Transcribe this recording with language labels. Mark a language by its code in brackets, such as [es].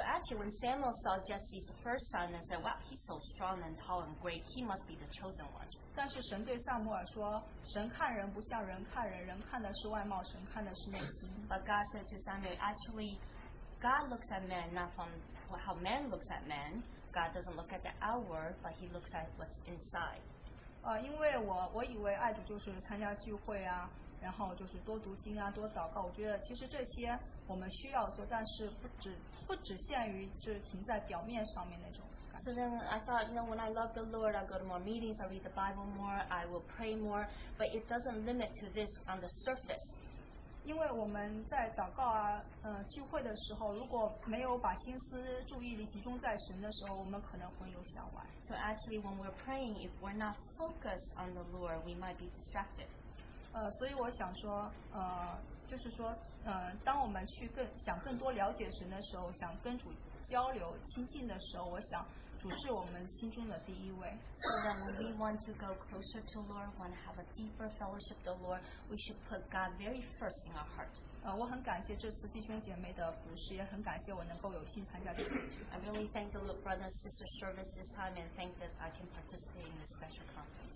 [en] actually when Samuel saw Jesse's first son and said, wow, he's so strong and tall and great, he must be the chosen one. [zh] 但是神对萨母尔说，神看人不像人看人，人看的是外貌，神看的是内心。 [en] But God said to Samuel, actually God looks at men not from how men looks at men. God doesn't look at the outward, but He looks at what's inside. [zh] 因为我以为爱主就是参加聚会啊，然后就是多读经啊，多祷告。我觉得其实这些我们需要做，但是不只限于就是停在表面上面那种。 [en] So then I thought, you know, when I love the Lord, I'll go to more meetings, I'll read the Bible more, I will pray more, but it doesn't limit to this on the surface. [zh] 因为我们在祷告啊，聚会的时候，如果没有把心思注意力集中在神的时候，我们可能会有想歪。 [en] So actually, when we're praying, if we're not focused on the Lord, we might be distracted. [zh] 所以我想说，就是说，当我们去想更多了解神的时候，想跟主交流亲近的时候，我想主是我们心中的第一位。 [en] So that when we want to go closer to Lord, want to have a deeper fellowship with the Lord, we should put God very first in our heart. [zh] 我很感谢这次弟兄姐妹的服事，也很感谢我能够有幸参加这次。 [en] I really thank the brothers and sisters service this time, and thank that I can participate in this special conference.